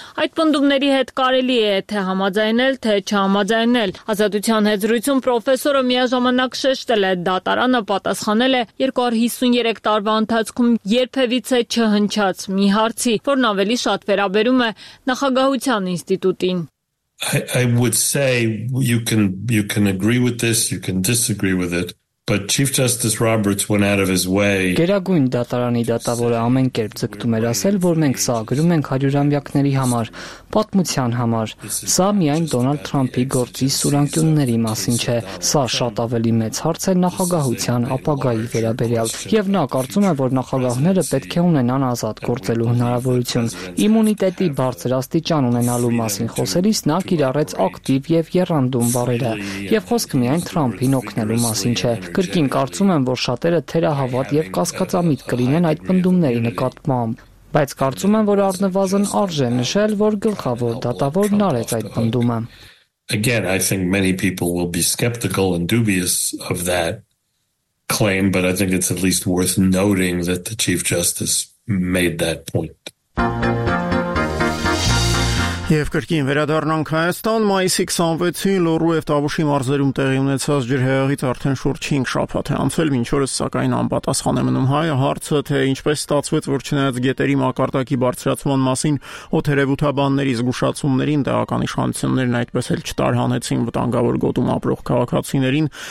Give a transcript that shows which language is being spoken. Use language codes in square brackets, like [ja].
[hy] այդ պնդումների հետ կարելի է թե համաձայնել, թե չհամաձայնել։ Ազատության հեծրություն պրոֆեսորը միաժամանակ շեշտել է, դատարանը պատասխանել է 253 տարվա ընթացքում երբևիցե չհնչած մի հարցի, որն ավելի շատ վերաբերում է նախագահության ինստիտուտին։ [en] I would say you can agree with this, you can disagree with it. But Chief Justice Roberts went out of his way. [hy] Գերագույն դատարանի դատավորը ամեն կերպ ձգտում էր ասել, որ մենք սա գրում ենք 100 ամյակների համար, պատմության համար։ Սա միայն Դոնալդ Թրամփի գործի սուրանկյունների մասին չէ, սա շատ ավելի մեծ հարց է նախագահության ապագայի վերաբերյալ, և նա կարծում է, որ նախագահները պետք է ունենան ազատ գործելու հնարավորություն։ Իմունիտետի բարձր աստիճան ունենալու մասին խոսելիս նա կիրառեց ակտիվ և եռանդուն բառերը, և խոսքը միայն Թրամփին օգնելու մասին չէ։ Կրկին կարծում եմ, որ շատերը թերահավատ և կասկածամիտ կլինեն այդ պնդումների նկատմամբ, բայց կարծում եմ, որ առնվազն արժե նշել, որ գլխավոր դատավորն արեց այդ պնդումը։ [en] Again, I think many people will be skeptical and dubious of that claim, but I think it's at least worth noting that the Chief Justice made that point. [hy] Եվ կրկին վերադառնանք Հայաստան, մայիսի 26-ին Լոռու և Տավուշի մարզերում տեղի ունեցած ջրհեղեղից արդեն շուրջ 5 շաբաթ է անցել, մինչ օրս սակայն անպատասխան է մնում հայը հարցը, թե ինչպես ստացվեց, որ չնայած գետերի մակարդակի բարձրացման մասին օթերևութաբանների զգուշացումներին, տեղական իշխանություններն այդպես էլ չտարհանեցին վտանգավոր գոտում ապրող քաղաքացիներին,